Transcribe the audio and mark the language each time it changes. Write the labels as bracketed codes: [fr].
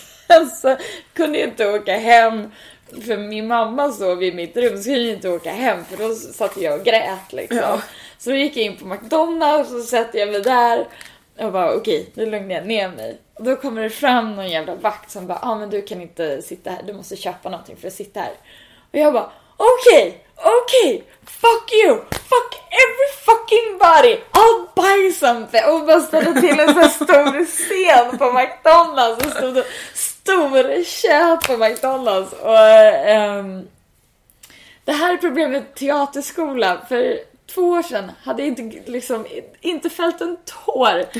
[sv] Alltså, kunde jag inte åka hem. För min mamma sov i mitt rum, så kunde jag inte åka hem. För då satt jag och grät liksom. Så då gick jag in på McDonald's och så satte jag mig där. Och bara, okej, nu lugnade jag ner mig. Och då kommer det fram någon jävla vakt som bara, men du kan inte sitta här. Du måste köpa någonting för att sitta här. Och jag bara, okej, [en] fuck you, fuck every fucking body, I'll buy something. [sv] Och bara ställde till en sån stor scen på McDonald's och stod och stor köp på McDonald's. Och det här är problemet med teaterskola, för 2 år sedan hade jag inte liksom inte fällt en tår.